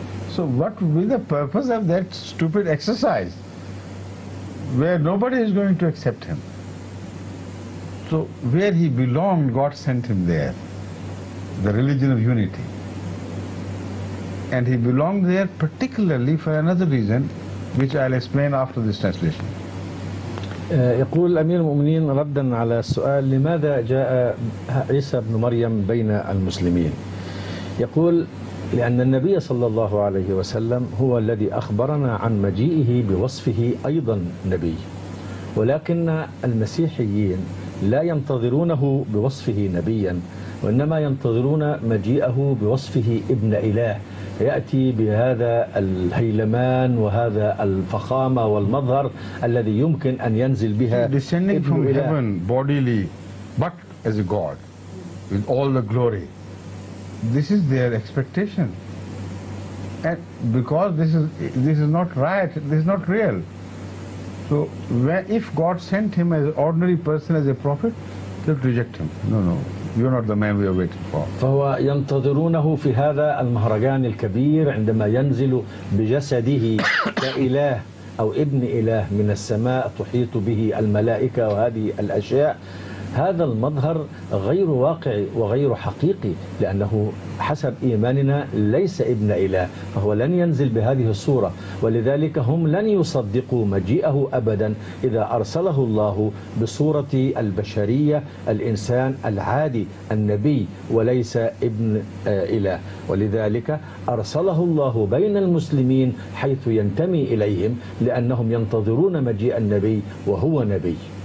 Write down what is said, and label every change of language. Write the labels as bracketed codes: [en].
[en] So what will be the purpose of that stupid exercise, where nobody is going to accept him? So where he belonged, God sent him there, the religion of unity. And he belonged there particularly for another reason, which I'll explain after this translation. [ar] يقول أمير المؤمنين ردا على السؤال لماذا جاء عيسى بن مريم بين المسلمين، يقول لأن النبي صلى الله عليه وسلم هو الذي أخبرنا عن مجيئه بوصفه أيضا نبي، ولكن المسيحيين لا ينتظرونه بوصفه نبيا، وإنما ينتظرون مجيئه بوصفه ابن إله يأتي بهذا الهيلمان وهذا الفخامة والمظهر الذي يمكن أن ينزل بها. [en] He's descending from heaven bodily, but as a God, with all the glory. This is their expectation. And because this is not right, this is not real. So if God sent him as an ordinary person, as a prophet, they'll reject him. No. You're not the man we are waiting for. [ar] فهو ينتظرونه في هذا المهرجان الكبير عندما ينزل بجسده كإله أو ابن إله من السماء تحيط به الملائكة وهذه الأشياء. هذا المظهر غير واقعي وغير حقيقي، لأنه حسب إيماننا ليس ابن إله، فهو لن ينزل بهذه الصورة، ولذلك هم لن يصدقوا مجيئه أبدا إذا أرسله الله بصورة البشرية، الإنسان العادي النبي وليس ابن إله، ولذلك أرسله الله بين المسلمين حيث ينتمي إليهم، لأنهم ينتظرون مجيء النبي وهو نبي.